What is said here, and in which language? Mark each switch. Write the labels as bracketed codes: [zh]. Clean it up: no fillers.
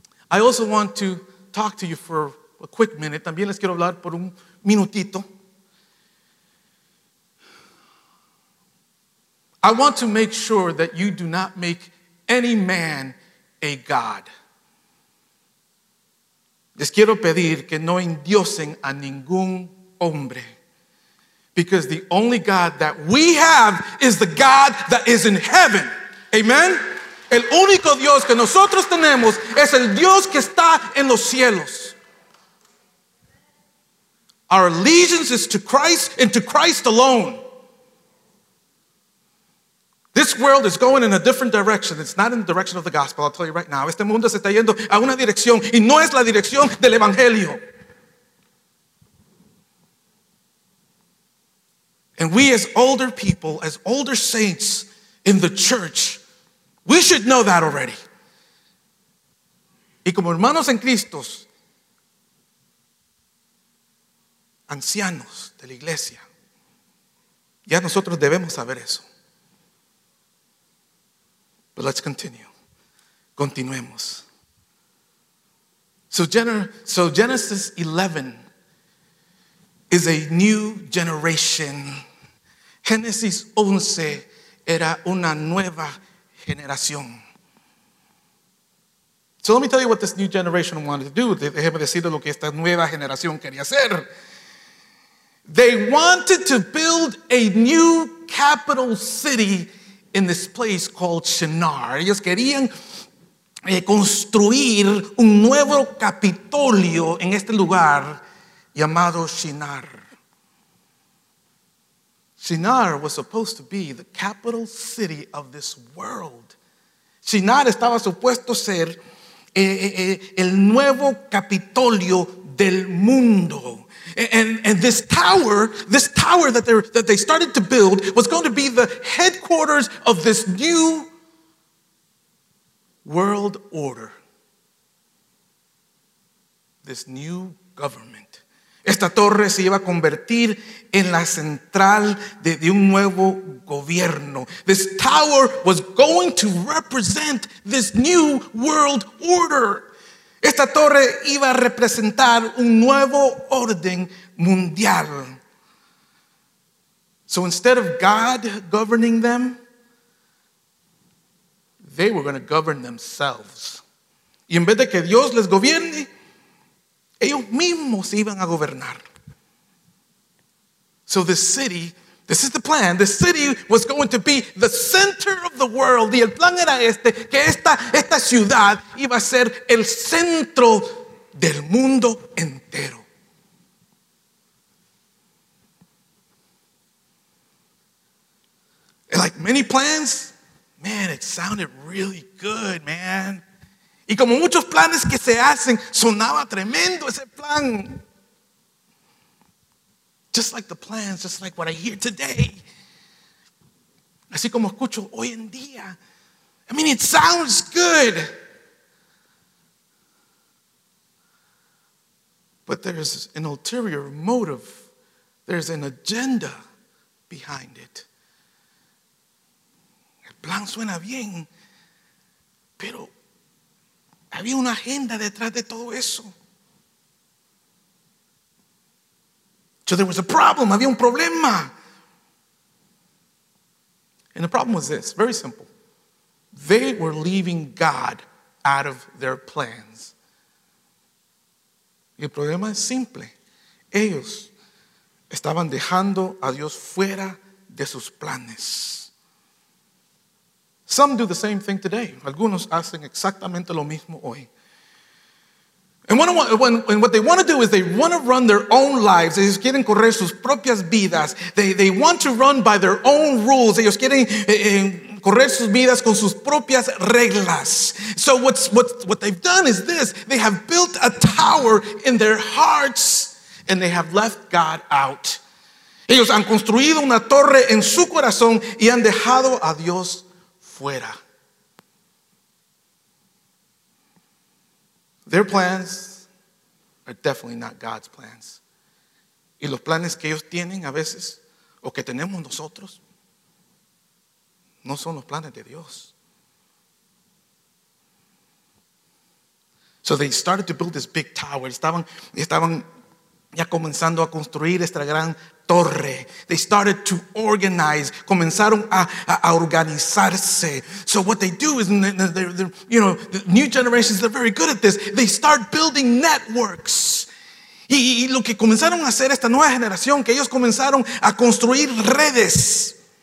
[en] I also want to talk to you for a quick minute. [es] También les quiero hablar por un minutito. [en] I want to make sure that you do not make any man a god. [es] Les quiero pedir que no endiosen a ningún hombre. [en] Because the only God that we have is the God that is in heaven. Amen? [es] El único Dios que nosotros tenemos es el Dios que está en los cielos. [en] Our allegiance is to Christ and to Christ alone. This world is going in a different direction. It's not in the direction of the gospel, I'll tell you right now. [es] Este mundo se está yendo a una dirección y no es la dirección del evangelio. [en] And we as older people, as older saints in the church, we should know that already. [es] Y como hermanos en Cristo, ancianos de la iglesia, ya nosotros debemos saber eso. [en] But let's continue. [es] Continuemos. [en] So Genesis 11 is a new generation. [es] Génesis 11 era una nueva generación. [en] So let me tell you what this new generation wanted to do. [es] Déjeme decirle lo que esta nueva generación quería hacer. [en] They wanted to build a new capital city in this place called Shinar. [es] Ellos querían construir un nuevo Capitolio en este lugar llamado Shinar. [en] Shinar was supposed to be the capital city of this world. [es] Shinar estaba supuesto ser el nuevo Capitolio del mundo. [en] And this tower that they started to build was going to be the headquarters of this new world order. This new government. [es] Esta torre se iba a convertir en la central de un nuevo gobierno. [en] This tower was going to represent this new world order. [es] Esta torre iba a representar un nuevo orden mundial. [en] So instead of God governing them, they were going to govern themselves. [es] Y en vez de que Dios les gobierne, ellos mismos iban a gobernar. [en] So the city, this is the plan, the city was going to be the center of the world. [es] Y el plan era este, que esta ciudad iba a ser el centro del mundo entero. [en] And like many plans, man, it sounded really good, man. [es] Y como muchos planes que se hacen, sonaba tremendo ese plan. [en] Just like the plans, just like what I hear today. [es] Así como escucho hoy en día. [en] I mean, it sounds good. But there's an ulterior motive. There's an agenda behind it. [es] El plan suena bien, pero había una agenda detrás de todo eso. [en] So there was a problem. [es] Había un problema. [en] And the problem was this. Very simple. They were leaving God out of their plans. [es] Y el problema es simple. Ellos Estaban dejando a Dios fuera de sus planes. [en] Some do the same thing today. [es] Algunos hacen exactamente lo mismo hoy. [en] And what they want to do is they want to run their own lives. [es] Ellos quieren correr sus propias vidas. [en] They want to run by their own rules. [es] Ellos quieren correr sus vidas con sus propias reglas. [en] So what they've done is this. They have built a tower in their hearts and they have left God out. [es] Ellos han construido una torre en su corazón y han dejado a Dios fuera. [en] Their plans are definitely not God's plans. [es] Y los planes que ellos tienen a veces, o que tenemos nosotros, no son los planes de Dios. [en] So they started to build this big tower. [es] Estaban ya comenzando a construir esta gran torre. [en] They started to organize. [es] Comenzaron a organizarse. [en] So what they do is, they're, you know, the new generations, they're very good at this. They start building networks. [es] Y lo que comenzaron a hacer esta nueva generación, que ellos comenzaron a construir redes.